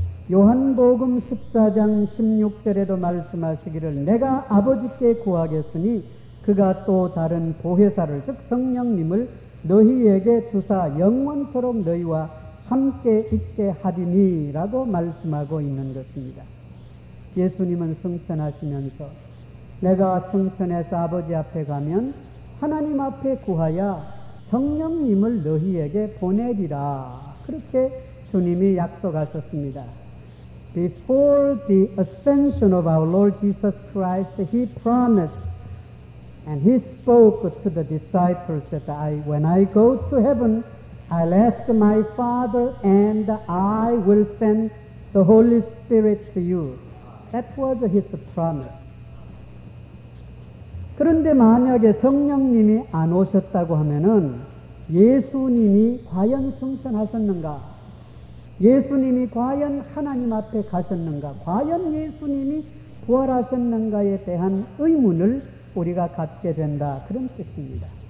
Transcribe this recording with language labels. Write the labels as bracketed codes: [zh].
[ko] 요한복음 14장 16절에도 말씀하시기를 내가 아버지께 구하겠으니 그가 또 다른 보혜사를 즉 성령님을 너희에게 주사 영원토록 너희와 함께 있게 하리니 라고 말씀하고 있는 것입니다. 예수님은 승천하시면서 내가 승천해서 아버지 앞에 가면 하나님 앞에 구하야 성령님을 너희에게 보내리라 그렇게 주님이 약속하셨습니다. [en] Before the ascension of our Lord Jesus Christ, he promised and he spoke to the disciples that when I go to heaven, I'll ask my Father and I will send the Holy Spirit to you. That was his promise. [ko] 그런데 만약에 성령님이 안 오셨다고 하면은 예수님이 과연 승천하셨는가? 예수님이 과연 하나님 앞에 가셨는가? 과연 예수님이 부활하셨는가에 대한 의문을 우리가 갖게 된다. 그런 뜻입니다.